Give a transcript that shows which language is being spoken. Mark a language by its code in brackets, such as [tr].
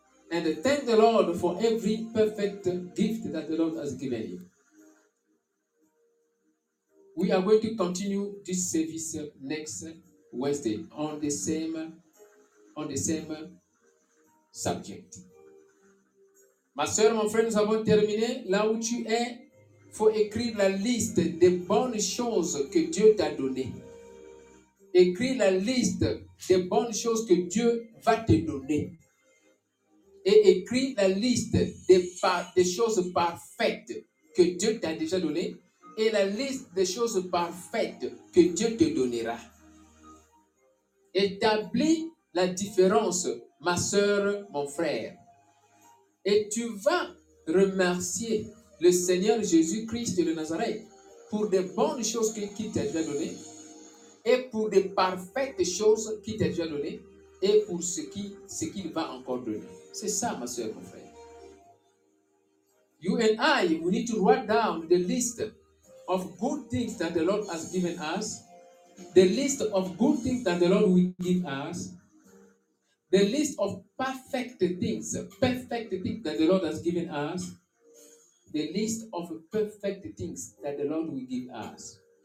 [en] And thank the Lord for every perfect gift that the Lord has given you. We are going to continue this service next Wednesday on the same subject. [fr] Ma soeur, mon frère, nous avons terminé là où tu es. Il faut écrire la liste des bonnes choses que Dieu t'a données. Écris la liste des bonnes choses que Dieu va te donner. Et écris la liste des choses parfaites que Dieu t'a déjà données. Et la liste des choses parfaites que Dieu te donnera. Établis la différence, ma soeur, mon frère. Et tu vas remercier le Seigneur Jésus-Christ de Nazareth pour des bonnes choses qu'il t'a déjà données et pour des parfaites choses qu'il t'a déjà données et pour ce qu'il va encore donner. C'est ça, ma soeur, mon frère. [en] You and I, we need to write down the list of good things that the Lord has given us, the list of good things that the Lord will give us, the list of perfect things that the Lord has given us, the list of perfect things that the Lord will give us.